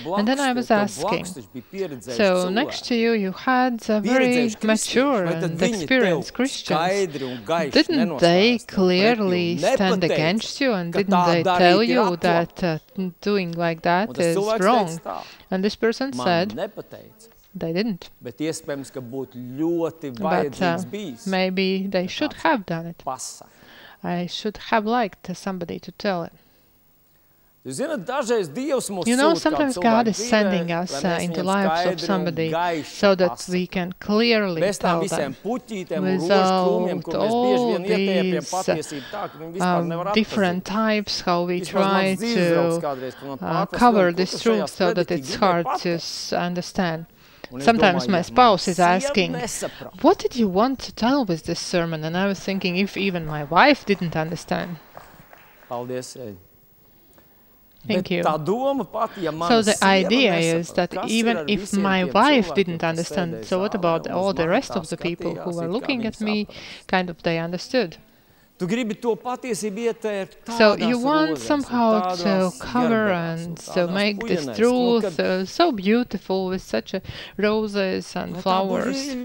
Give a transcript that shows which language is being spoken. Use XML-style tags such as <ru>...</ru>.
<en>And then I was asking, so next to you, you had a very mature and experienced Christian. Didn't they clearly stand against you and didn't they tell you that doing like that is wrong? And this person said, they didn't.</en> <lv>Bet iespējams, ka būtu ļoti vajadzīgs bijis.</lv> <en>Maybe they should have done it.</en> <lv>Pasaka.</lv> <en>I should have liked somebody to tell it.</en> <lv>Jūs zināt, dažreiz Dievs mūs</lv> <en>You know, sometimes God is sending us into lives of somebody so that we can clearly tell them. Without all these different types, how we try to cover this truth so that it's hard to understand. Sometimes my spouse is asking, what did you want to tell with this sermon? And I was thinking, if even my wife didn't understand. Thank you. So the idea is that even if my wife didn't understand, so what about all the rest of the people who were looking at me, kind of they understood.</en> <lv>Tu gribi to patiesību ietērt</lv> <en>So you want somehow to cover and to make this truth so beautiful with such roses and flowers.</en>